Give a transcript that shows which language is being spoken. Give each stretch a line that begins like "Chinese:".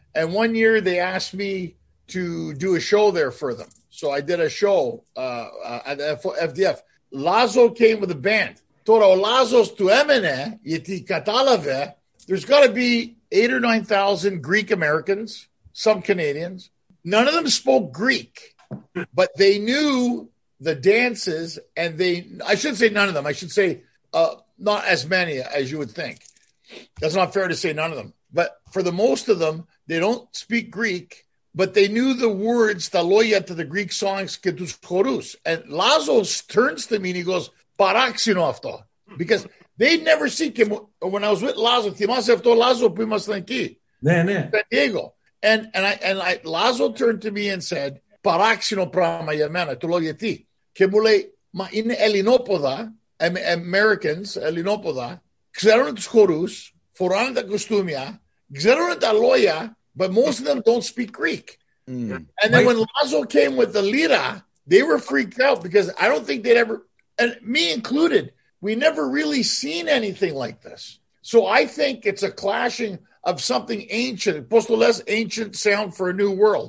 English: And one year they asked me to do a show there for them. So I did a show at FDF. Lazo came with a band.
Greek: Τώρα ο Λάζος του έμενε, γιατί κατάλαβε,
English: there's got to be 8,000 or 9,000 Greek Americans, some Canadians. None of them spoke Greek, but they knew the dances, and I should say none of them. I should say not as many as you would think. That's not fair to say none of them. But for the most of them, they don't speak Greek, but they knew the words, the loya to the Greek songs,
Greek: και τους χορούς.
English: And Lazos turns to me and he goes,
Greek: παράξενο αυτό.
English: Because they never see him. When I was with Lazo,
Greek: θυμάσαι αυτό Lazo που ήμασταν εκεί. Ναι, ναι.
English: San Diego. And Lazo turned to me and said,
Greek: παράξενο πράγμα για μένα, του λέω γιατί. Και μου λέει, μα είναι Ελληνόποδα, Americans, Ελληνόποδα, ξέρουν τους χορούς, φοράνε τα κοστούμια, ξέρουν τα λόγια,
English: but most of them don't speak Greek. Mm. And then when Lazo came with the lira, they were freaked out because I don't think they'd ever, and me included, we never really seen anything like this. So I think it's a clashing of something ancient,
Greek: πώς το λες,
English: ancient sound for a new world.